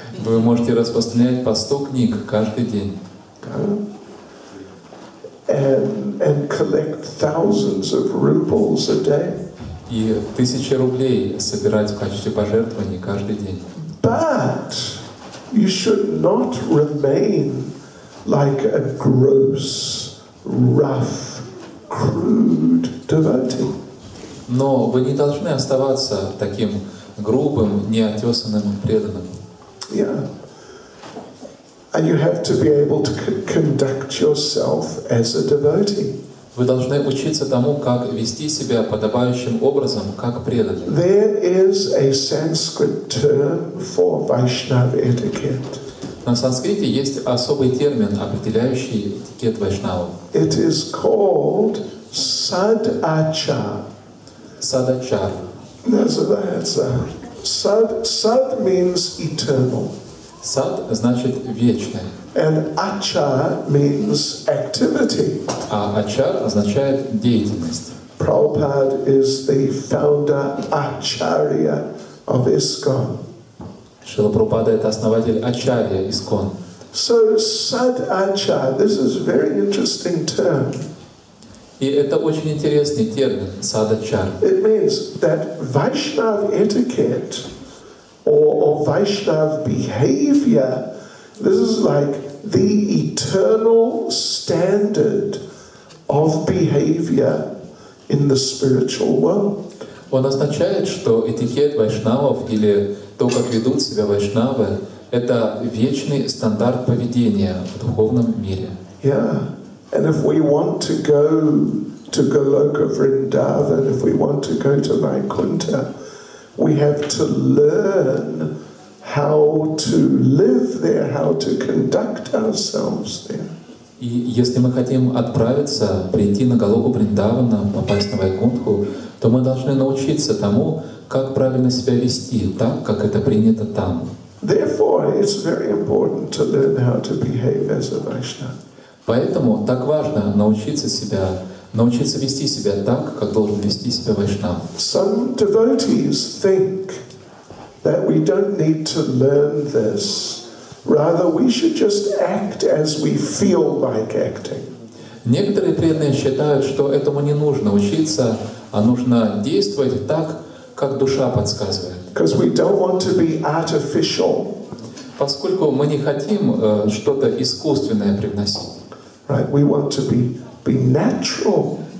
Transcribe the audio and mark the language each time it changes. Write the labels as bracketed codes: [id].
[ru] Вы можете распространять по 100 книг каждый день. [en] And collect thousands of rubles a day. [ru] И 1000 рублей собирать в качестве пожертвований каждый день. [en] But you should not remain like a gross, rough, crude devotee. [ru] Но вы не должны оставаться таким грубым, неотесанным преданным. [en] Yeah. And you have to be able to conduct yourself as a devotee. [ru] Вы должны учиться тому, как вести себя подобающим образом, как преданный. [en] There is a Sanskrit term for Vaishnava etiquette. [ru] На санскрите есть особый термин, определяющий этикет вайшнава. [en] It is called sadachar. Sadachar. That's the answer. Sad means eternal. [ru] Sad значит вечное. [en] And achar means activity. [ru] А achar означает деятельность. [en] Prabhupada is the founder acharya of ISKCON. [ru] Шрила Прабхупада — это основатель ачарья ИСККОН. [en] So sad achar, this is a very interesting term. [ru] И это очень интересный термин садачар. [en] It means that Vaishnava etiquette or Vaishnava behavior, this is like the eternal standard of behavior in the spiritual world. [ru] Он означает, что этикет вайшнавов или то, как ведут себя вайшнавы, это вечный стандарт поведения в духовном мире. [en] Yeah. And if we want to go to Goloka Vrindavan, if we want to go to Vaikuntha, we have to learn how to live there, how to conduct ourselves there. [ru] И если мы хотим отправиться, прийти на Голоку Вриндавана, попасть на Вайкунтху, то мы должны научиться тому, как правильно себя вести, так, как это принято там. [en] Therefore, it's very important to learn how to behave as a Vaishnava. [ru] Поэтому так важно научиться вести себя так, как должен вести себя вайшнав. [en] Some devotees think that we don't need to learn this. Rather, we should just act as we feel like acting. [ru] Некоторые преданные считают, что этому не нужно учиться, а нужно действовать так, как душа подсказывает. [en] Because we don't want to be artificial. [ru] Поскольку мы не хотим что-то искусственное привносить. [en] Right, we want to be natural.